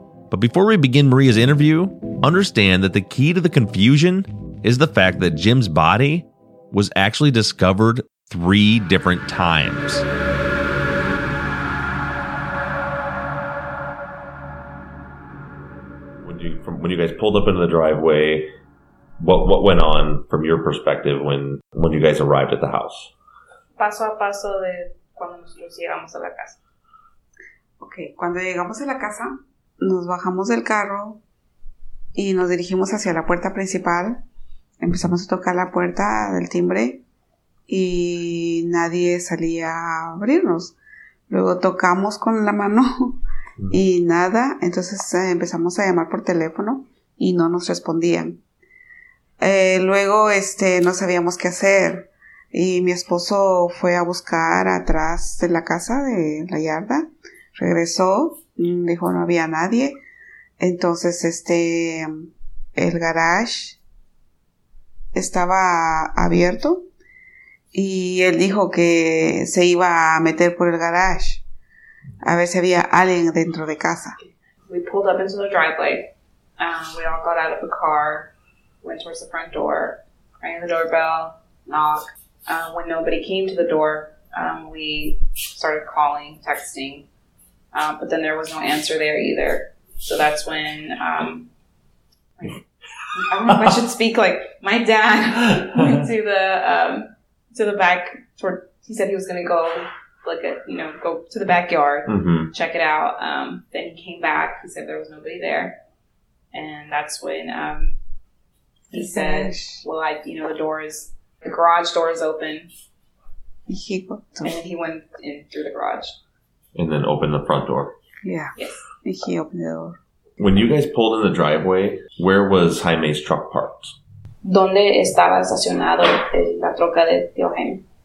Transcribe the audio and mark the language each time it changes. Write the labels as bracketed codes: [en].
[en] But before we begin Maria's interview, understand that the key to the confusion is the fact that Jim's body was actually discovered three different times. When you guys pulled up into the driveway, what went on from your perspective when you guys arrived at the house? [es] Paso a paso de cuando nosotros llegamos a la casa. Okay, cuando llegamos a la casa, nos bajamos del carro y nos dirigimos hacia la puerta principal. Empezamos a tocar la puerta del timbre y nadie salía a abrirnos. Luego tocamos con la mano y nada. Entonces empezamos a llamar por teléfono y no nos respondían. Luego no sabíamos qué hacer. Y mi esposo fue a buscar atrás de la casa, de la yarda. Regresó, dijo no había nadie. Entonces el garage estaba abierto y él dijo que se iba a meter por el garage a ver si había alguien dentro de casa. [en] We pulled up into the driveway. We all got out of the car, went towards the front door, rang the doorbell, knock. When nobody came to the door, we started calling, texting, but then there was no answer there either. So that's when I don't know if I should speak, like, my dad went to the back toward, he said he was going to go, go to the backyard, check it out. Then he came back, he said there was nobody there. And that's when, he said, well, the door is, the garage door is open. And he went in through the garage. And then opened the front door. Yeah. Yes. And he opened the door. When you guys pulled in the driveway, where was Jaime's truck parked? [es] ¿Dónde estaba estacionado la troca de tío Jaime?